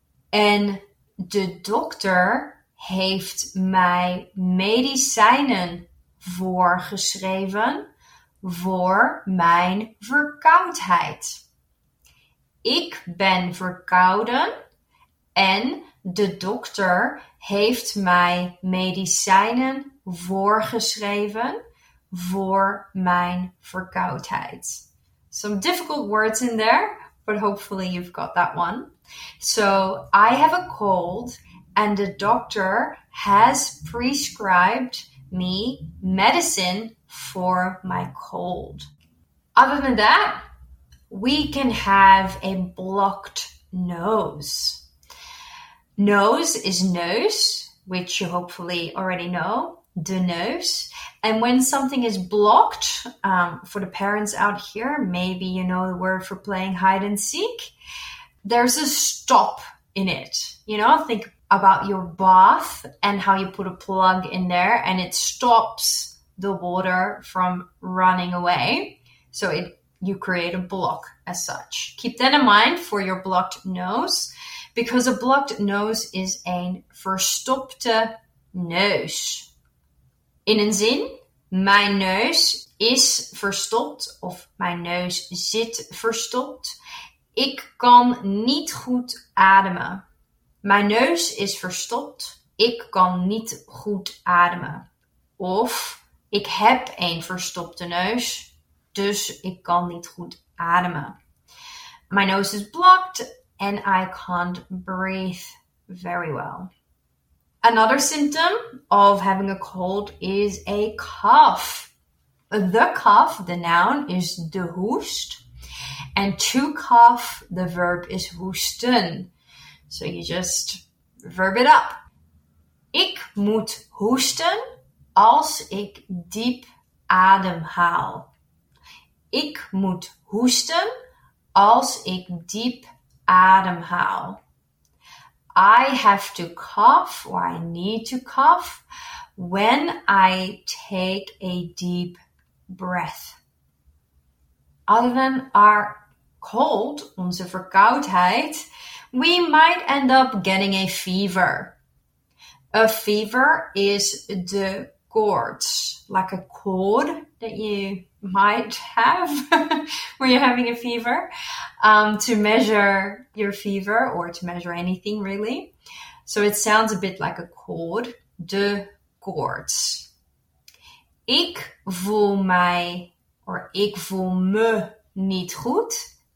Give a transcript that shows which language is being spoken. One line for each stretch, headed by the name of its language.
Dutch: En de dokter heeft mij medicijnen voorgeschreven voor mijn verkoudheid. Ik ben verkouden en de dokter heeft mij medicijnen voorgeschreven voor mijn verkoudheid.
English: Some difficult words in there, but hopefully you've got that one. So I have a cold, and the doctor has prescribed me medicine for my cold. Other than that, we can have a blocked nose. Nose is nose, which you hopefully already know, the nose. And when something is blocked, for the parents out here, maybe you know the word for playing hide and seek, there's a stop in it. You know, think about your bath and how you put a plug in there and it stops the water from running away. So you create a block as such. Keep that in mind for your blocked nose, because a blocked nose is a
Dutch: verstopte neus. In een zin, mijn neus is verstopt of mijn neus zit verstopt. Ik kan niet goed ademen. Mijn neus is verstopt. Ik kan niet goed ademen. Of ik heb een verstopte neus, dus ik kan niet goed ademen.
English: My nose is blocked and I can't breathe very well. Another symptom of having a cold is a cough. The cough, the noun, is de hoest. And to cough, the verb is hoesten. So you just verb it up.
Dutch: Ik moet hoesten als ik diep adem haal. Ik moet hoesten als ik diep adem haal.
English: I have to cough, or I need to cough, when I take a deep breath. Other than our cold,
Dutch: onze verkoudheid,
English: we might end up getting a fever. A fever is de koorts, like a cold that you might have when you're having a fever, to measure your fever or to measure anything really. So it sounds a bit like a cold, de koorts.
Dutch: Ik voel mij,
English: or
Dutch: ik voel me niet goed.